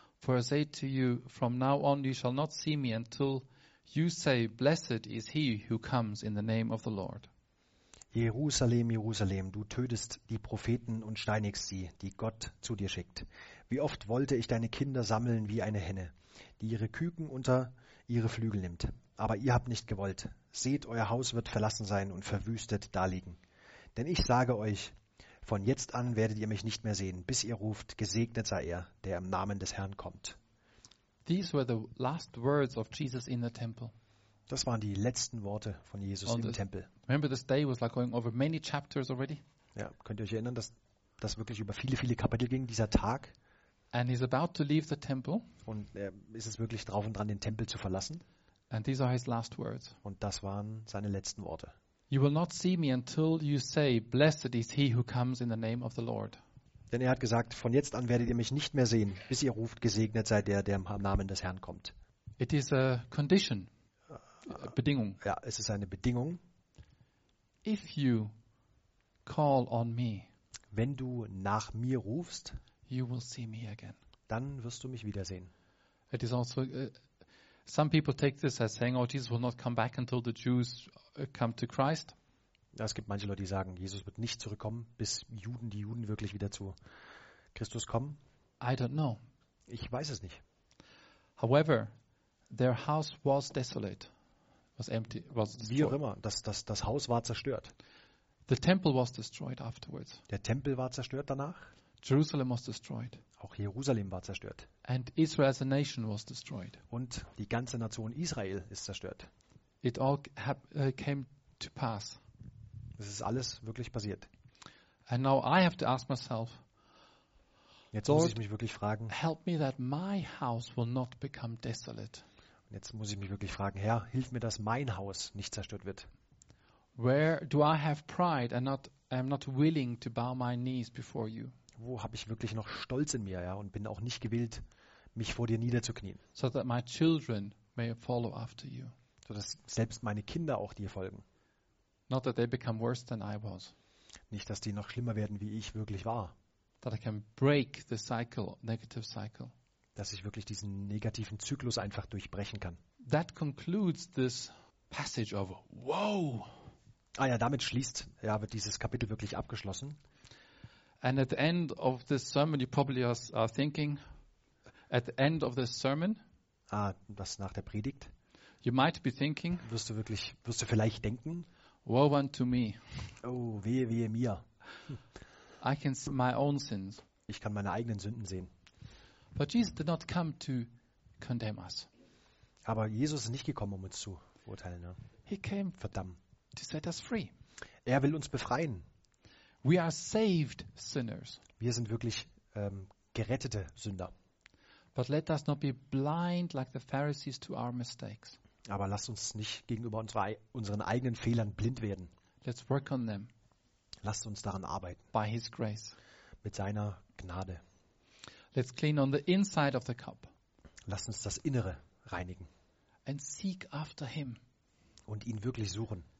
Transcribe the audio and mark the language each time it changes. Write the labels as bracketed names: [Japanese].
[English] For I say to you, from now on you shall not see me until you say, blessed is he who comes in the name of the Lord. [German] Jerusalem, Jerusalem, du tötest die Propheten und steinigst sie, die Gott zu dir schickt. Wie oft wollte ich deine Kinder sammeln wie eine Henne, die ihre Küken unter ihre Flügel nimmt. Aber ihr habt nicht gewollt. Seht, euer Haus wird verlassen sein und verwüstet daliegen. Denn ich sage euch, von jetzt an werdet ihr mich nicht mehr sehen, bis ihr ruft, gesegnet sei er, der im Namen des Herrn kommt. [English] These were the last words of Jesus in the temple. [German] Das waren die letzten Worte von Jesus im Tempel. [English] Remember, this day was like going over many chapters already. [German] Ja, könnt ihr euch erinnern, dass das wirklich über viele, viele Kapitel ging, dieser Tag? [English] And he's about to leave the temple. [German] Und er ist es wirklich drauf und dran, den Tempel zu verlassen? [English] And these are his last words. [German] Und das waren seine letzten Worte. [English] You will not see me until you say, blessed is he who comes in the name of the Lord. [German] Denn er hat gesagt, von jetzt an werdet ihr mich nicht mehr sehen, bis ihr ruft, gesegnet sei der, der im Namen des Herrn kommt. [English] It is a condition. Bedingung. [German] Ja, es ist eine Bedingung. [English] If you call on me, [German] wenn du nach mir rufst, [English] you will see me again. [German] Dann wirst du mich wiedersehen. [English] It is also some people take this as saying, oh, Jesus will not come back until the Jews come to Christ. [German] Ja, es gibt manche Leute, die sagen, Jesus wird nicht zurückkommen, bis die Juden wirklich wieder zu Christus kommen. [English] I don't know. [German] Ich weiß es nicht. [English] However, their house was desolate. Was empty, was destroyed. [German] Wie auch immer, das Haus war zerstört. [English] The temple was destroyed afterwards. [German] Der Tempel war zerstört danach. [English] Jerusalem was destroyed. [German] Auch Jerusalem war zerstört. [English] And Israel as a nation was destroyed. [German] Und die ganze Nation Israel ist zerstört. [English] It all came to pass. [German] Es ist alles wirklich passiert. [English] And now I have to ask myself. [German] Jetzt muss ich mich wirklich fragen. [English] Help me that my house will not become desolate. [German] Und jetzt muss ich mich wirklich fragen, Herr, hilf mir, dass mein Haus nicht zerstört wird. [English] Where do I have pride and I'm not willing to bow my knees before you? [German] Wo habe ich wirklich noch Stolz in mir, ja, und bin auch nicht gewillt, mich vor dir niederzuknien? [English] So that my children may follow after you. [German] So dass selbst meine Kinder auch dir folgen. [English] Not that they become worse than I was. [German] Nicht, dass die noch schlimmer werden, wie ich wirklich war. [English] That I can break the cycle, negative cycle. [German] Dass ich wirklich diesen negativen Zyklus einfach durchbrechen kann. [English] That concludes this passage of wow. [German] Ah ja, damit schließt, ja, wird dieses Kapitel wirklich abgeschlossen. [English] And at the end of this sermon, you probably are thinking, at the end of this sermon, [German] ah, das nach der Predigt, [English] you might be thinking, [German] wirst du vielleicht denken, [English] woe unto me. [German] Oh, wehe, wehe mir. [English] I can see my own sins. [German] Ich kann meine eigenen Sünden sehen. [English] But Jesus did not come to condemn us. [German] Aber Jesus ist nicht gekommen, um uns zu verurteilen. Ne? [English] He came [German] verdammt [English] to set us free. [German] Er will uns befreien. [English] We are saved sinners. [German] Wir sind wirklich gerettete Sünder. [English] But let us not be blind like the Pharisees to our mistakes. [German] Aber lasst uns nicht gegenüber unseren eigenen Fehlern blind werden. [English] Let's work on them. [German] Lasst uns daran arbeiten. [English] By his grace. [German] Mit seiner Gnade. [English] Let's clean on the inside of the cup. [German] Lasst uns das Innere reinigen. [English] And seek after him. [German] Und ihn wirklich suchen.